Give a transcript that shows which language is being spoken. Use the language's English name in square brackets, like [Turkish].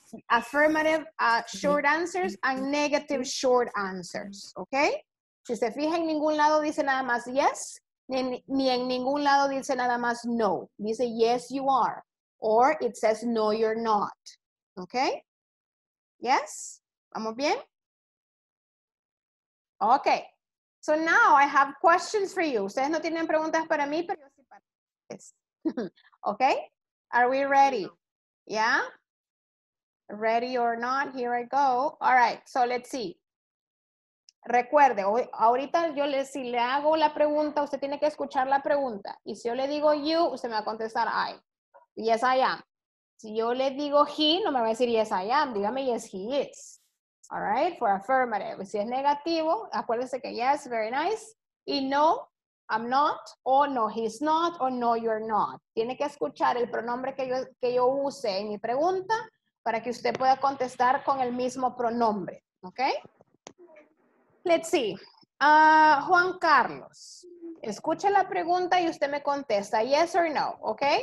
[English] Affirmative short answers and negative short answers, okay? [Spanish] Si se fija, en ningún lado dice nada más yes, ni en ningún lado dice nada más no. [English] Dice yes, you are, or it says no, you're not, okay? [Spanish] Yes? ¿Vamos bien? [English] Okay. So now I have questions for you. [Spanish] Ustedes no tienen preguntas para mí, pero yo sí para ustedes. [English] Okay, are we ready? Yeah, ready or not, here I go. All right, so let's see. [Spanish] Recuerde, ahorita yo le, si le hago la pregunta, usted tiene que escuchar la pregunta. Y si yo le digo you, usted me va a contestar I. [English] Yes, I am. [Spanish] Si yo le digo he, no me va a decir [English] yes, I am. [Spanish] Dígame [English] yes, he is. All right, for affirmative. [Spanish] Si es negativo, acuérdese que [English] yes, very nice. Y no, I'm not, o no, he's not, o no, you're not. [Spanish] Tiene que escuchar el pronombre que yo use en mi pregunta para que usted pueda contestar con el mismo pronombre, ¿ok? [English] Let's see. [Spanish] Juan Carlos, escucha la pregunta y usted me contesta, [English] yes or no, [Spanish] ¿ok?